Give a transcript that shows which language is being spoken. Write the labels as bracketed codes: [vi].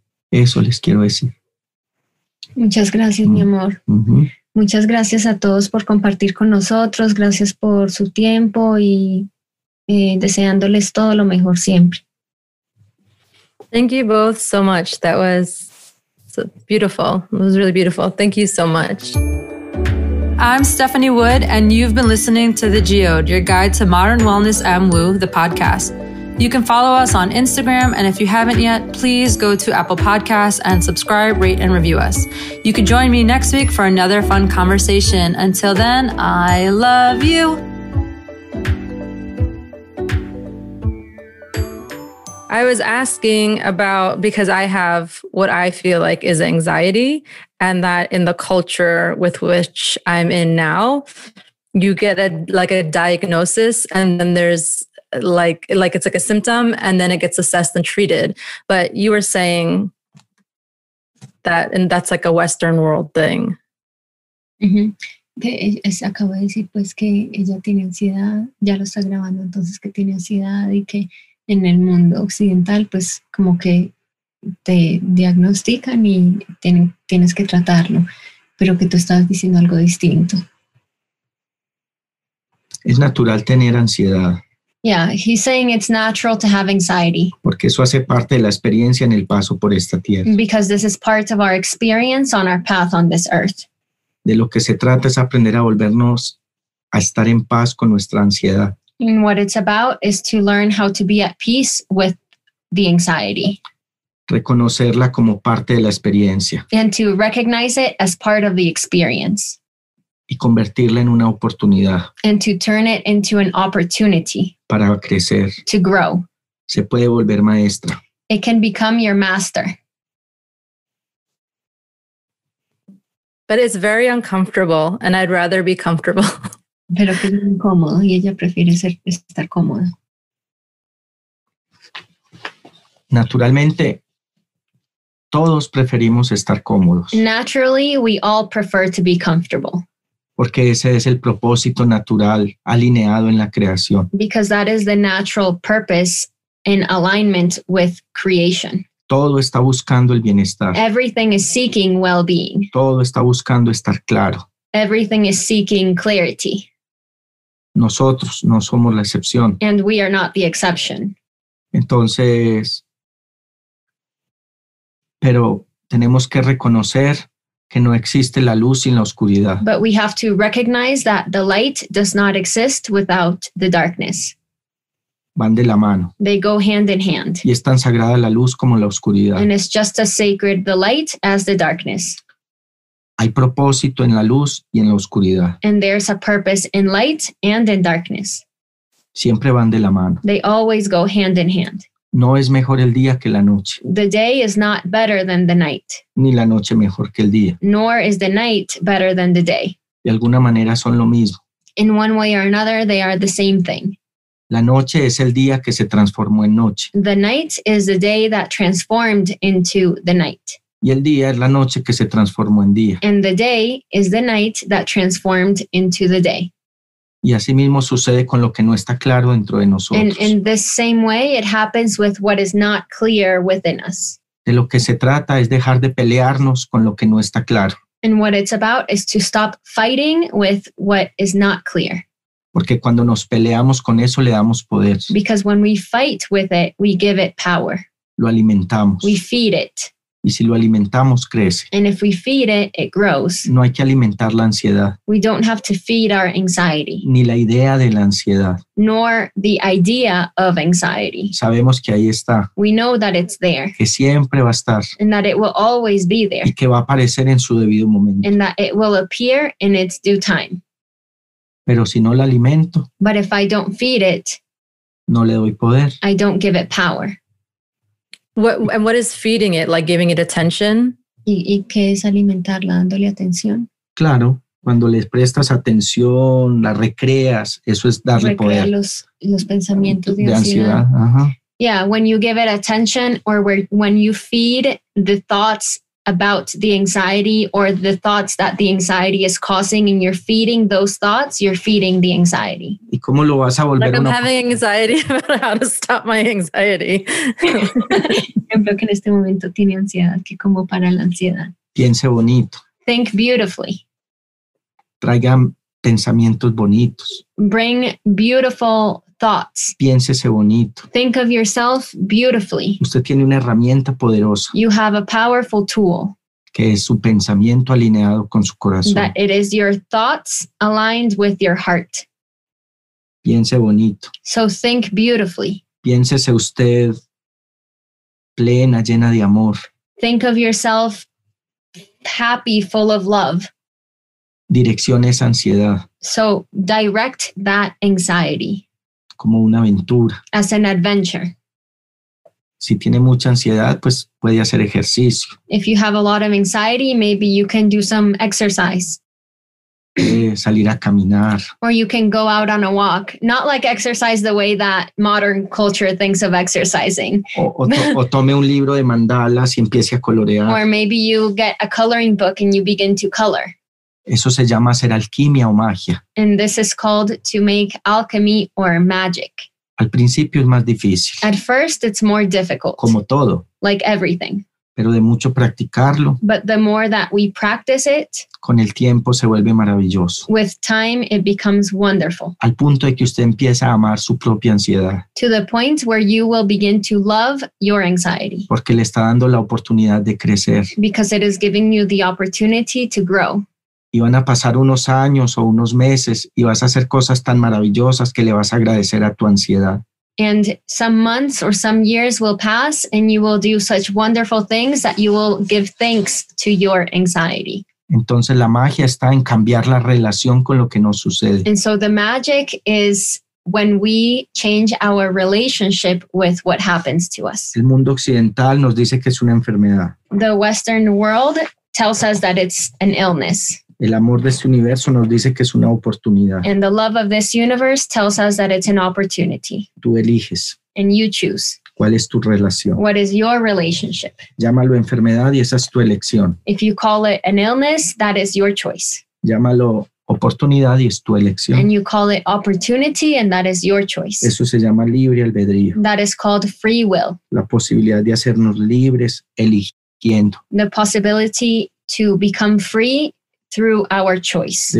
[es] Eso les quiero decir. Muchas gracias, mi amor. Muchas gracias a todos por compartir con nosotros. Gracias por su tiempo y deseándoles todo lo mejor siempre. [en] Thank you both so much. That was beautiful. It was really beautiful. Thank you so much. I'm Stephanie Wood, and you've been listening to The Geode, your guide to modern wellness and woo, the podcast. You can follow us on Instagram, and if you haven't yet, please go to Apple Podcasts and subscribe, rate, and review us. You can join me next week for another fun conversation. Until then, I love you. I was asking about, because I have what I feel like is anxiety, and that in the culture with which I'm in now, you get a diagnosis, and then there's like it's a symptom, and then it gets assessed and treated. But you were saying that, and that's like a Western world thing. [es] Acabo de decir pues que ella tiene ansiedad, ya lo está grabando, entonces que tiene ansiedad y que en el mundo occidental, pues como que te diagnostican y tienes que tratarlo, pero que tú estás diciendo algo distinto. Es natural tener ansiedad. [en] Yeah, he's saying it's natural to have anxiety. [es] Porque eso hace parte de la experiencia en el paso por esta tierra. [en] Because this is part of our experience on our path on this earth. [es] De lo que se trata es aprender a volvernos a estar en paz con nuestra ansiedad. [en] And what it's about is to learn how to be at peace with the anxiety. [es] Reconocerla como parte de la experiencia. [en] And to recognize it as part of the experience. [es] Y convertirla en una oportunidad. [en] And to turn it into an opportunity. [es] Para crecer. [en] To grow. [es] Se puede volver maestra. [en] It can become your master. But it's very uncomfortable, and I'd rather be comfortable. [es] Pero que es incómodo y ella prefiere estar cómoda. Naturalmente, todos preferimos estar cómodos. [en] Naturally, we all prefer to be comfortable. [es] Porque ese es el propósito natural alineado en la creación. [en] Because that is the natural purpose in alignment with creation. [es] Todo está buscando el bienestar. [en] Everything is seeking well-being. [es] Todo está buscando estar claro. [en] Everything is seeking clarity. [es] Nosotros no somos la excepción. [en] And we are not the exception. [es] Entonces, pero tenemos que reconocer que no existe la luz sin la oscuridad. [en] But we have to recognize that the light does not exist without the darkness. [es] Van de la mano. [en] They go hand in hand. [es] Y es tan sagrada la luz como la oscuridad. [en] And it's just as sacred the light as the darkness. [es] Hay propósito en la luz y en la oscuridad. [en] And there's a purpose in light and in darkness. [es] Siempre van de la mano. [en] They always go hand in hand. [es] No es mejor el día que la noche. [en] The day is not better than the night. [es] Ni la noche mejor que el día. [en] Nor is the night better than the day. [es] De alguna manera son lo mismo. [en] In one way or another, they are the same thing. [es] La noche es el día que se transformó en noche. [en] The night is the day that transformed into the night. [es] Y el día es la noche que se transformó en día. [en] And the day is the night that transformed into the day. [es] Y así mismo sucede con lo que no está claro dentro de nosotros. [en] And in this same way, it happens with what is not clear within us. [es] De lo que se trata es dejar de pelearnos con lo que no está claro. [en] And what it's about is to stop fighting with what is not clear. [es] Porque cuando nos peleamos con eso, le damos poder. [en] Because when we fight with it, we give it power. [es] Lo alimentamos. [en] We feed it. [es] Y si lo alimentamos, crece. [en] And if we feed it, it grows. [es] No hay que alimentar la ansiedad. [en] We don't have to feed our anxiety. [es] Ni la idea de la ansiedad. [en] Nor the idea of anxiety. [es] Sabemos que ahí está. [en] We know that it's there. [es] Que siempre va a estar. [en] And that it will always be there. [es] Y que va a aparecer en su debido momento. [en] And that it will appear in its due time. [es] Pero si no la alimento. [en] But if I don't feed it. [es] No le doy poder. [en] I don't give it power. What is feeding it, like giving it attention? [es] ¿Y qué es alimentarla, dándole atención? Claro, cuando le prestas atención, la recreas, eso es darle recrea poder. Recrea los pensamientos de ansiedad. Ajá. [en] Yeah, when you give it attention or when you feed the thoughts about the anxiety or the thoughts that the anxiety is causing and you're feeding those thoughts, you're feeding the anxiety. [es] ¿Y cómo lo vas a volver [en] like I'm having anxiety about how to stop my anxiety. [es] Creo que en este momento tiene ansiedad, que como para la ansiedad. Piense bonito. [en] Think beautifully. [es] Traiga pensamientos bonitos. [en] Bring beautiful thoughts. [es] Piénsese bonito. [en] Think of yourself beautifully. [es] Usted tiene una herramienta poderosa. [en] You have a powerful tool. [es] Que es su pensamiento alineado con su corazón. [en] That it is your thoughts aligned with your heart. [es] Piense bonito. [en] So think beautifully. [es] Piénsese usted plena, llena de amor. [en] Think of yourself happy, full of love. [es] Dirección esa ansiedad. [en] So direct that anxiety. [es] Como una aventura. [en] As an adventure. [es] Si tiene mucha ansiedad, pues puede hacer ejercicio. [en] If you have a lot of anxiety, maybe you can do some exercise. [es] Salir a caminar. [en] Or you can go out on a walk. Not like exercise the way that modern culture thinks of exercising. [es] O tome un libro de mandalas y empiece a colorear. [en] Or maybe you get a coloring book and you begin to color. [es] Eso se llama hacer alquimia o magia. [en] And this is called to make alchemy or magic. [es] Al principio es más difícil. [en] At first it's more difficult. [es] Como todo. [en] Like everything. [es] Pero de mucho practicarlo. [en] But the more that we practice it. [es] Con el tiempo se vuelve maravilloso. [en] With time it becomes wonderful. [es] Al punto de que usted empieza a amar su propia ansiedad. [en] To the point where you will begin to love your anxiety. [es] Porque le está dando la oportunidad de crecer. [en] Because it is giving you the opportunity to grow. [es] Y van a pasar unos años o unos meses y vas a hacer cosas tan maravillosas que le vas a agradecer a tu ansiedad. [en] And some months or some years will pass and you will do such wonderful things that you will give thanks to your anxiety. [es] Entonces la magia está en cambiar la relación con lo que nos sucede. [en] And so the magic is when we change our relationship with what happens to us. [es] El mundo occidental nos dice que es una enfermedad. [en] The Western world tells us that it's an illness. [es] El amor de este universo nos dice que es una oportunidad. [en] And the love of this universe tells us that it's an opportunity. [es] Tú eliges. [en] And you choose. [es] ¿Cuál es tu relación? [en] What is your relationship? [es] Llámalo enfermedad y esa es tu elección. [en] If you call it an illness, that is your choice. [es] Llámalo oportunidad y es tu elección. [en] And you call it opportunity and that is your choice. [es] Eso se llama libre albedrío. [en] That is called free will. [es] La posibilidad de hacernos libres eligiendo. [en] The possibility to become free through our choice.